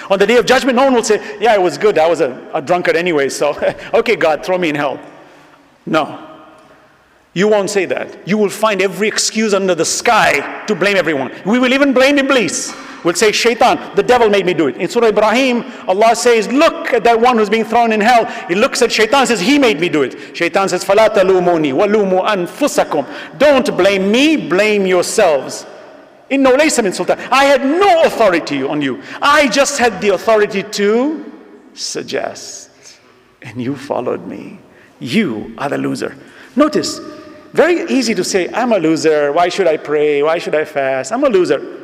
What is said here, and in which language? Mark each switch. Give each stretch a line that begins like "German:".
English: On the day of judgment, no one will say, yeah, it was good. I was a drunkard anyway, so okay, God, throw me in hell. No. You won't say that. You will find every excuse under the sky to blame everyone. We will even blame Iblis. We'll say, Shaitan, the devil made me do it. In Surah Ibrahim, Allah says, look at that one who's being thrown in hell. He looks at Shaitan and says, he made me do it. Shaitan says,
Arabic: فَلَا تَلُومُونِي وَلُومُوا أَنفُسَكُمْ.
English: Don't blame me, blame yourselves.
Arabic: إِنَّوْ لَيْسَ مِنْ سُلْطَانِ.
English: I had no authority on you. I just had the authority to suggest. And you followed me. You are the loser. Notice, very easy to say, I'm a loser. Why should I pray? Why should I fast? I'm a loser.